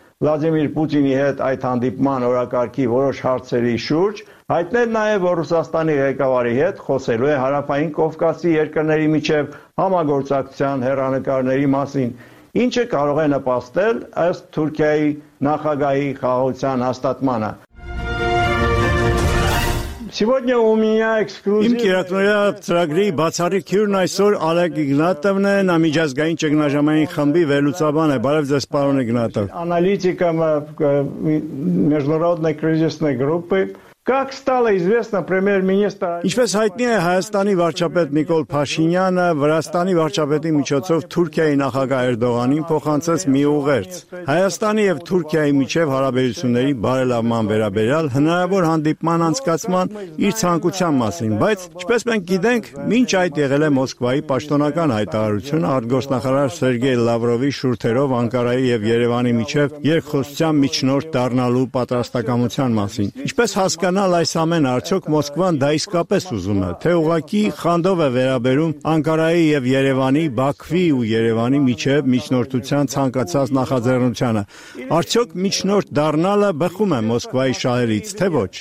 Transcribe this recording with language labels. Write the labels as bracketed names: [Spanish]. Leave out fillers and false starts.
[Armenian] Վլադիմիր Պուտինի հետ այդ հանդիպման օրակարգի որոշ հարցերի շուրջ, հայտնել նաեւ, որ Ռուսաստանի ղեկավարի հետ խոսելու է Հարավային Կովկասի երկրների միջև համագործակցության հեռանկարների մասին։ Ինչը կարող է նպաստել ըստ Թուրքիայի նախագահի խաղաղության հաստատմանը։ [Russian] Сегодня у меня эксклюзив. [Armenian] Իմ կերակրիա ծրագրի բացառիկ հյուրն այսօր Արեգ Իգնատովն է, նա միջազգային ճգնաժամային խմբի վերլուծաբան է։ Բարև ձեզ, պարոն Իգնատով։ [Russian] Аналитиком международной кризисной группы. Как стало известно, премьер-министр [Armenian] Ինչպես հայտնի է Հայաստանի վարչապետ Նիկոլ Փաշինյանը Վրաստանի վարչապետի միջոցով Թուրքիայի նախագահ Էրդողանին փոխանցեց մի ուղերձ։ Հայաստանի եւ Թուրքիայի միջև հարաբերությունների բարելավման վերաբերյալ հնարավոր հանդիպման անցկացման իր ցանկության մասին, բայց ինչպես մենք գիտենք, մինչ այդ եղել է Մոսկվայի պաշտոնական հայտարարությունը արտգործնախարար Սերգեյ Լավրովի շուրթերով Անկարայի եւ Երևանի միջև երկխոսության միջնորդ դառնալու պատրաստակամության մասին։ Ինչպես հասկանալ այս ամեն արդյոք Մոսկվան դա իսկապես ուզում է, թե ուղղակի խանդով է վերաբերում Անկարայի եւ Երևանի, Բաքվի ու Երևանի միջև միջնորդության ցանկացած նախաձեռնությանը։ Արդյոք միջնորդ դառնալը բխում է Մոսկվայի շահերից, թե ոչ։